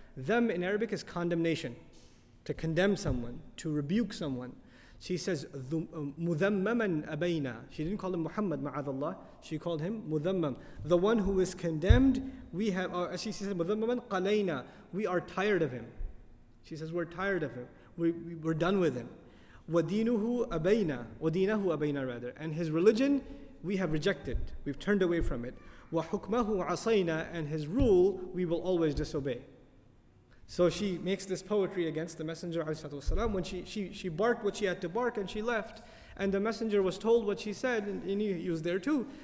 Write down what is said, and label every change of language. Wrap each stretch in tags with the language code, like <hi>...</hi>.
<en>Dham in Arabic is condemnation, to condemn someone, to rebuke someone. She says,</en> <ar>mudhammaman abayna.</ar> <en>She didn't call him Muhammad, ma'adallah. She called him mudhammam. The one who is condemned, we have, she says,</en> <ar>mudhammaman qalayna.</ar> <en>We are tired of him. She says, we're tired of him. We're done with him.</en> <ar>وَدِينُهُ أَبَيْنَا وَدِينَهُ أَبَيْنَا</ar> <en>rather. And his religion, we have rejected. We've turned away from it.</en> <ar>وَحُكْمَهُ عَصَيْنَا,</ar> <en>and his rule, we will always disobey. So she makes this poetry against the Messenger alayhi wasallam. When she barked what she had to bark and she left, and the Messenger was told what she said, and he was there too.</en>